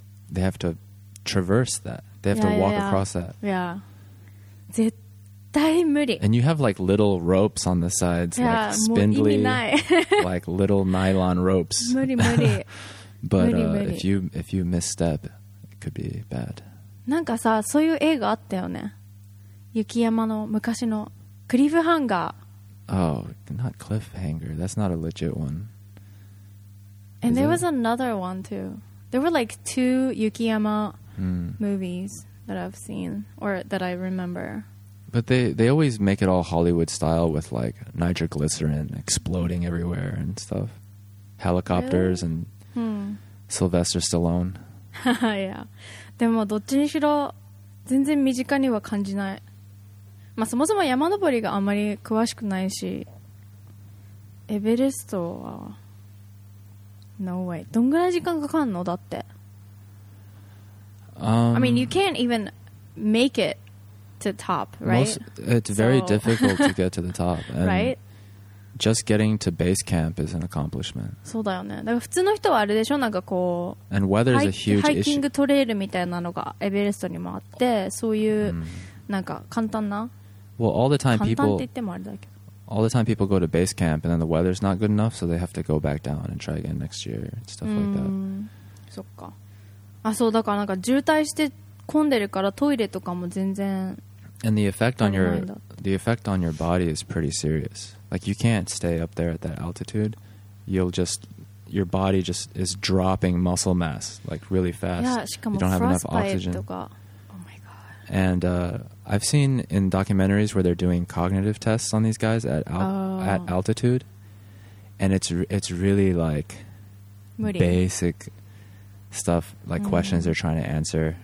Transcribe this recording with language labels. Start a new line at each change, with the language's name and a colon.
English: They have to traverse that. They have to walk across that.
Japanese: Yeah. 絶対無理.
English: And you have like little ropes on the sides, yeah, like spindly, like little nylon ropes.
Japanese: 無理無理.
English: But
Japanese: 無理無理.
English: if you misstep, it could be bad.
Japanese: なんかさ、そういう映画あったよね。雪山の昔のクリフハンガー。
English: Oh, not cliffhanger. That's not a legit one. And there was another one too. There were like two Yukiyama movies that I've seen or that I remember. But they always make it all Hollywood style with like nitroglycerin exploding everywhere and stuff. Helicopters really? And Sylvester Stallone. Yeah.
Japanese: でもどっちにしろ全然身近には感じない。まあそもそも山登りがあまり詳しくないし、エベレストは。
English: No way.
Japanese: どんぐらい時間かかんのだって。
English: I mean, you can't even make it to top, right? Very difficult to get to the top. And right? Just getting to base camp is an accomplishment.
Japanese: そうだよね。だから普通の人はあれでしょ、なんかこう、
English: And weather is a huge issue.
Japanese: ハイキングトレイルみたいなのがエベレストにもあって、そういうなんか簡単な、
English: well, all the time
Japanese: 簡単って言ってもあれだけど。
English: All the time people go to base camp and then the weather's not good enough, so they have to go back down and try again next year and stuff like that.
Japanese: そっか。あ、そう、だからなんか渋滞して混んでるからトイレとかも全然。
English: And the effect on your body is pretty serious. Like you can't stay up there at that altitude. Your body just is dropping muscle mass like really fast. Yeah, しかも、you don't have enough oxygen. とか。 And I've seen in documentaries where they're doing cognitive tests on these guys at altitude, and it's really like basic stuff, like questions they're trying to answer.